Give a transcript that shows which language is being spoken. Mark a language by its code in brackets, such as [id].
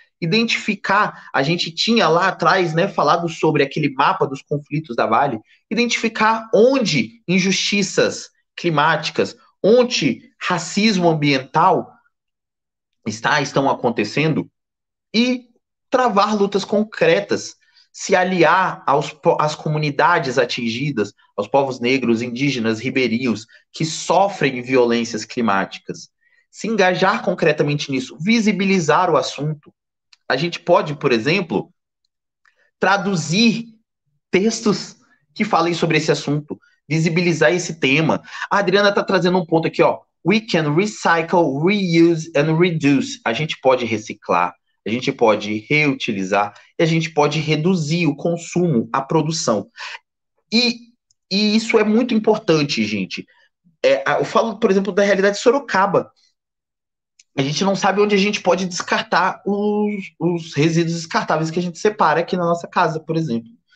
[pt] Identificar, a gente tinha lá atrás, né, falado sobre aquele mapa dos conflitos da Vale, identificar onde injustiças climáticas, onde racismo ambiental estão acontecendo e travar lutas concretas, se aliar às comunidades atingidas, aos povos negros, indígenas, ribeirinhos, que sofrem violências climáticas. Se engajar concretamente nisso, visibilizar o assunto. A gente pode, por exemplo, traduzir textos que falem sobre esse assunto, visibilizar esse tema. A Adriana está trazendo um ponto aqui, ó. [en] We can recycle, reuse and reduce. [pt] A gente pode reciclar, a gente pode reutilizar e a gente pode reduzir o consumo, a produção. E isso é muito importante, gente. É, eu falo, por exemplo, da realidade de Sorocaba. A gente não sabe onde a gente pode descartar os resíduos descartáveis que a gente separa aqui na nossa casa, por exemplo.